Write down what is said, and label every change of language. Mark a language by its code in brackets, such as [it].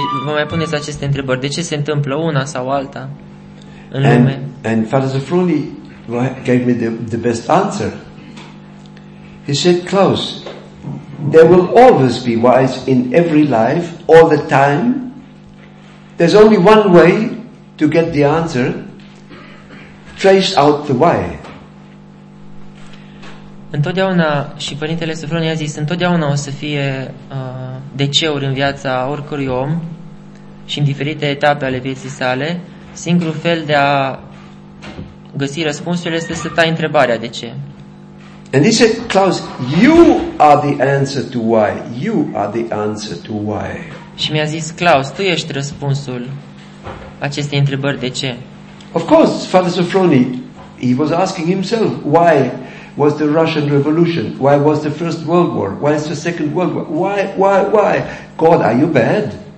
[ro] Vă mai puneți aceste întrebări. De ce se întâmplă una sau alta în lume? [en] And Father Sofroni gave me the best answer. He said, Klaus, there will always be wise in every life, all the time. There's only one way to get the answer. Trace out the why. [ro] Întotdeauna, și Părintele Sofronie a zis, întotdeauna o să fie deceuri în viața oricărui om și în diferite etape ale vieții sale. Singurul fel de a găsi răspunsul este să tai întrebarea de ce. [en] And he said, Klaus, you are the answer to why. You are the answer to why. [ro] Și mi-a zis, Klaus, tu ești răspunsul acestei întrebări de ce. [en] Of course, Father Sofroni, he was asking himself, why was the Russian Revolution? Why was the First World War? Why is the Second World War? Why? God, are you bad?